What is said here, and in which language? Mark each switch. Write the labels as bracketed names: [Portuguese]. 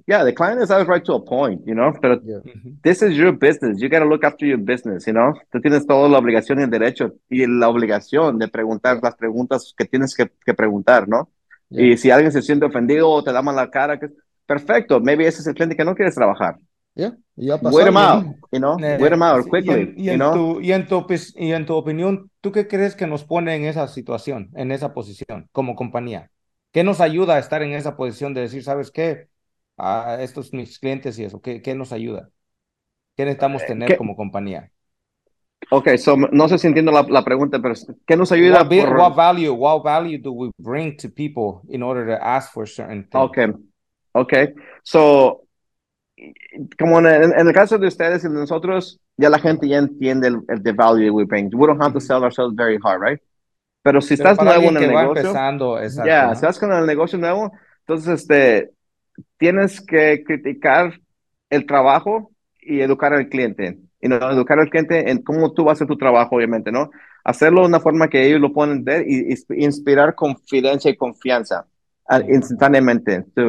[English] Yeah, the client is always right to a point, you know, [Spanish] pero [English] this is your business. You got to look after your business, you know. [Spanish] Tú tienes toda la obligación y el derecho y la obligación de preguntar las preguntas que tienes que preguntar, ¿no? Y si alguien se siente ofendido o te da mala cara, perfecto. Maybe ese es el cliente que no quieres trabajar. [English] Yeah. Wait him out, you know? Wait him out quickly, you know? [Spanish] Y en tu opinión, ¿tú qué crees que nos pone en esa situación, en esa posición, como compañía? ¿Qué nos ayuda a estar en esa posición de decir, sabes qué? Estos son mis clientes y eso. ¿Qué nos ayuda? ¿Qué necesitamos tener como compañía? [English] Okay, so [Spanish] no sé si entiendo la pregunta, pero ¿qué nos ayuda? [English] What value do we bring to people in order to ask for certain things? [Spanish] Okay. So, como en el caso de ustedes y de nosotros, ya la gente ya entiende [English] the value we bring. We don't have to sell ourselves very hard, right? [Spanish] Pero estás nuevo en el negocio, si estás con el negocio nuevo, entonces tienes que criticar el trabajo y educar al cliente. Y no, educar al cliente en cómo tú vas a hacer tu trabajo, obviamente, ¿no? Hacerlo de una forma que ellos lo puedan entender y inspirar confidencia y confianza instantáneamente.